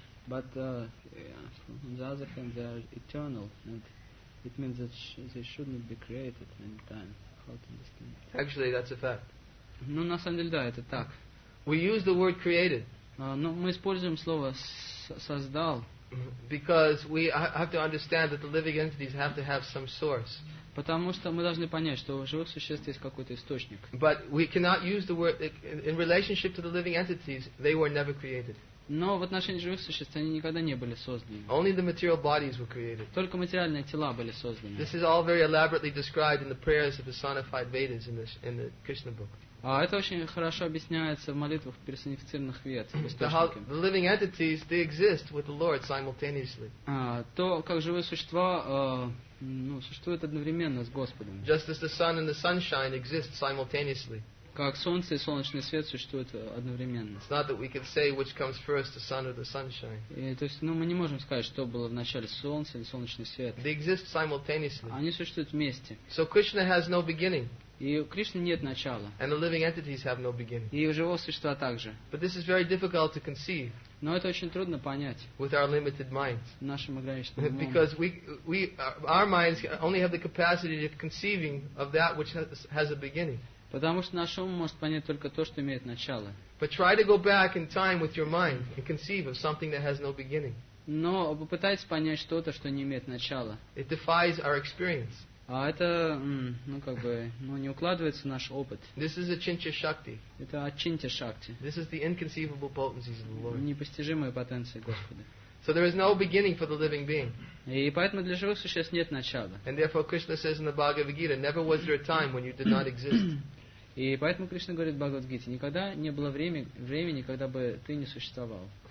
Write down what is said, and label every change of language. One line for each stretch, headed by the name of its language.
English: But on the other hand, they are eternal, and it means that they should not be created in time. How to understand? Actually, that's a fact.
Russian: Ну, на самом деле, да, это так.
English: We use the word created.
Russian: Но мы используем слово создал.
English: Because we have to understand that the living entities have to have some source.
Russian: Потому что мы должны понять, что у живых существ есть какой-то источник.
English: But we cannot use the word in relationship to the living entities. They were never created.
Russian: Но в отношении живых существ они никогда не были созданы.
English: Only the material bodies were created.
Russian: Только материальные тела были созданы.
English: This is all very elaborately described in the prayers of personified Vedas in the Krishna book.
Russian: А это очень хорошо объясняется в молитвах персонифицированных вед.
English: The living entities, they exist with the Lord simultaneously.
Russian: То, как живые существа, ну, существуют одновременно с Господом.
English: Just as the sun and the sunshine exist simultaneously.
Russian: Как солнце и солнечный свет существуют одновременно.
English: It's not that we can say which comes first, the sun or the sunshine.
Russian: И, то есть, ну, мы не можем сказать, что было в начале, солнце или солнечный свет.
English: They exist simultaneously.
Russian: Они существуют вместе.
English: So Krishna has no beginning.
Russian: И у Кришны нет начала.
English: And the living entities have no beginning.
Russian: И у живого существа также.
English: But this is very difficult to conceive.
Russian: Но это очень трудно понять.
English: With our limited minds.
Russian: Нашим ограниченным умом.
English: Because we our minds only have the capacity of conceiving of that which has a beginning.
Russian: Потому что наш ум может понять только то, что имеет начало.
English: But try to go back in time with your mind and conceive of something that has no beginning.
Russian: Но попытайтесь понять что-то, что не имеет начала.
English: It defies our experience.
Russian: А это, ну как бы, ну не укладывается в наш опыт.
English: This is Achintya Shakti.
Russian: Это Achintya Shakti.
English: This is the inconceivable potencies of the Lord.
Russian: Непостижимые потенции Господа.
English: So there is no beginning for the living being.
Russian: И поэтому для живых существ нет начала.
English: And therefore Krishna says in the Bhagavad Gita, never was there a time when you did not exist.
Russian: И поэтому Кришна говорит в Бхагавад Гите, никогда не было времени, когда бы ты не существовал.